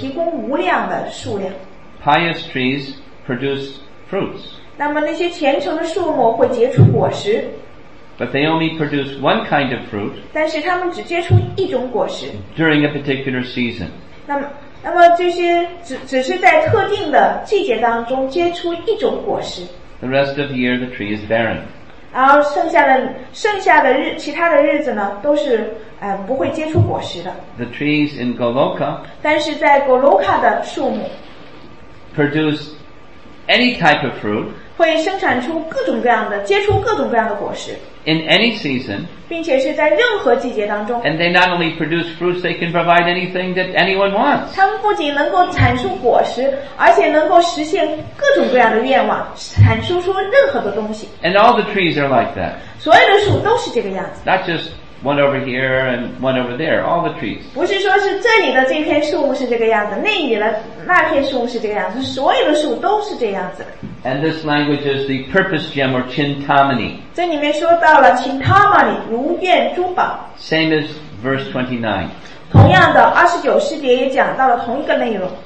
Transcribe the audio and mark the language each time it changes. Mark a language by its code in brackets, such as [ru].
[zh] 那么这个树呢是这样子的，它能够满足任何一个人他内心所想的任何的渴望，实现他们的愿望，并且提供无量的数量。 [en] Pious trees produce fruits. [zh] 那么那些虔诚的树木会结出果实。 [en] But they only produce one kind of fruit during a particular season. [zh] 那么这些只是在特定的季节当中结出一种果实。 [en] The rest of the year the tree is barren. [zh] 然后剩下的日其他的日子呢都是不会结出果实的。 [en] The trees in Goloka [zh] 但是在Goloka的树木 [en] produce any type of fruit [zh] 会生产出各种各样的结出各种各样的果实。 [en] In any season, [zh] 并且是在任何季节当中, [en] and they not only produce fruits, they can provide anything that anyone wants. [zh] 他们不仅能够产出果实, 而且能够实现各种各样的愿望, 产出出任何的东西。 [en] And all the trees are like that. [zh] 所有的树都是这个样子。 [en] Not just one over here and one over there, all the trees. [zh] 不是说是这里的这片树木是这个样子, 那里的那片树木是这个样子, 所有的树都是这样子。 [en] And this language is the purpose gem or chintamani. [zh] 这里面说到了 chintamani, 如愿珠宝。 [en] Same as verse 29. [zh] 同样的，29世节也讲到了同一个内容。